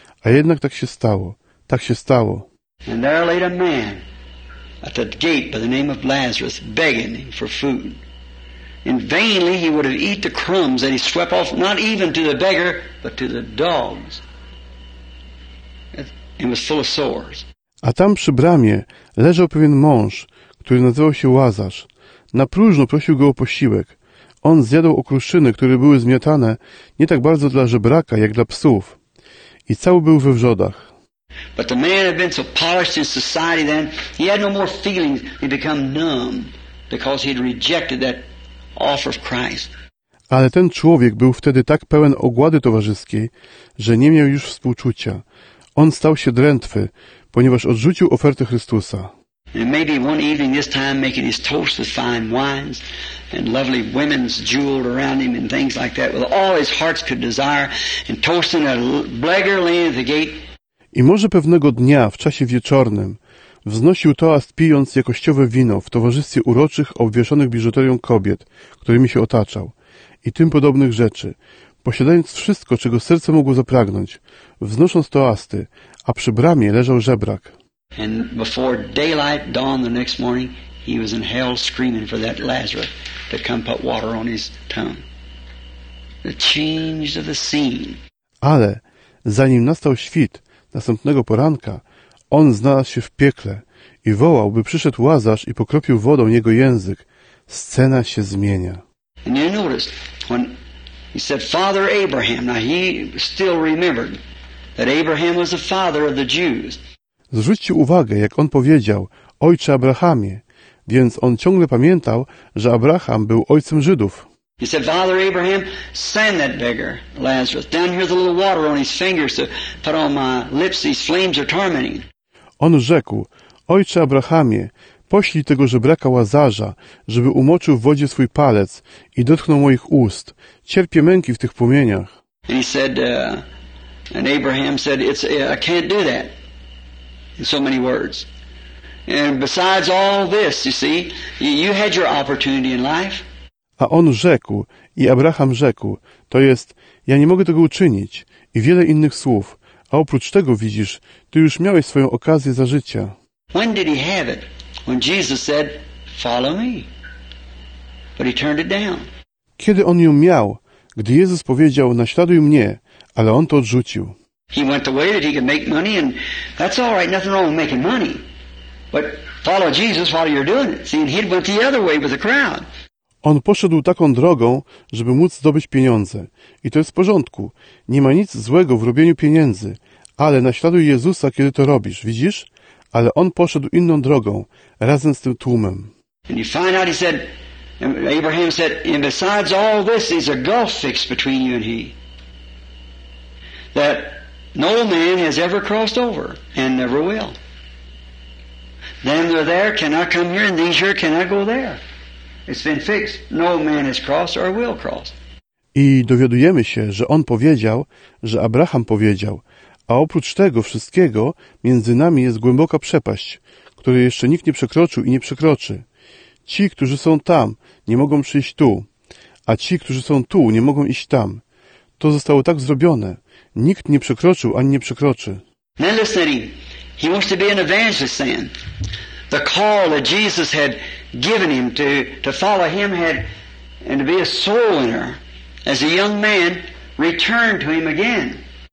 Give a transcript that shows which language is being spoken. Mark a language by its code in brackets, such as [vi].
[pl] A jednak tak się stało. Tak się stało. [en] And there laid a man at the gate by the name of Lazarus begging for food. And vainly he would have eat the crumbs that he swept off not even to the beggar, but to the dogs. And was full of sores. [pl] A tam przy bramie leżał pewien mąż, który nazywał się Łazarz. Na próżno prosił go o posiłek. On zjadał okruszyny, które były zmiatane nie tak bardzo dla żebraka, jak dla psów. I cały był we wrzodach. [en] But the man had been so polished in society then, he had no more feelings. He became numb because he had rejected that offer of Christ. [pl] Ale ten człowiek był wtedy tak pełen ogłady towarzyskiej, że nie miał już współczucia. On stał się drętwy, ponieważ odrzucił ofertę Chrystusa. [en] And maybe one evening this time making his toast with fine wines and lovely women's jeweled around him and things like that with all his heart could desire and toasting a beggar laying at the gate. [pl] I może pewnego dnia w czasie wieczornym wznosił toast pijąc jakościowe wino w towarzystwie uroczych, obwieszonych biżuterią kobiet, którymi się otaczał i tym podobnych rzeczy. Posiadając wszystko, czego serce mogło zapragnąć, wznosząc toasty, a przy bramie leżał żebrak. [en] And before daylight dawned the next morning, he was in hell screaming for that Lazarus to come put water on his tongue. The change of the scene. [pl] Ale zanim nastał świt, Następnego poranka on znalazł się w piekle i wołał, by przyszedł Łazarz i pokropił wodą jego język. Scena się zmienia. [en] And you notice when he said, Father Abraham, now he still remembered that Abraham was the father of the Jews. [pl] Zwróćcie uwagę, jak on powiedział, Ojcze Abrahamie, więc on ciągle pamiętał, że Abraham był ojcem Żydów. [en] He said, Father Abraham, send that beggar, Lazarus, down here with a little water on his fingers to put on my lips, these flames are tormenting. [pl] On rzekł, Ojcze Abrahamie, poślij tego żebraka Łazarza, żeby umoczył w wodzie swój palec i dotknął moich ust. Cierpię męki w tych płomieniach. [en] And he said, and Abraham said, it's, I can't do that. In so many words. And besides all this, you see, you had your opportunity in life. [pl] A on rzekł, i Abraham rzekł, to jest, ja nie mogę tego uczynić, i wiele innych słów, a oprócz tego widzisz, ty już miałeś swoją okazję za życia. [en] When did he have it? When Jesus said, follow me. But he turned it down. [pl] Kiedy on ją miał? Gdy Jezus powiedział, naśladuj mnie, ale on to odrzucił. [en] He went the way that he could make money, and that's all right, nothing wrong with making money. But follow Jesus while you're doing it. See, and he went the other way with the crowd. [pl] On poszedł taką drogą, żeby móc zdobyć pieniądze. I to jest w porządku. Nie ma nic złego w robieniu pieniędzy. Ale naśladuj Jezusa, kiedy to robisz. Widzisz? Ale on poszedł inną drogą, razem z tym tłumem. [en] And you find out, he said, Abraham said, and besides all this, there's a gulf fixed between you and he. That no man has ever crossed over, and never will. Them that are there cannot come here, and these here cannot go there. It's been fixed. No man has crossed or will cross. [pl] I dowiadujemy się, że on powiedział, że Abraham powiedział, a oprócz tego wszystkiego między nami jest głęboka przepaść, której jeszcze nikt nie przekroczył i nie przekroczy. Ci, którzy są tam, nie mogą przyjść tu, a ci, którzy są tu, nie mogą iść tam. To zostało tak zrobione. Nikt nie przekroczył ani nie przekroczy. [en] Now listen to him. He wants to be an evangelist then. The call that Jesus had given him to follow him had and to be a soul winner as a young man returned to him again.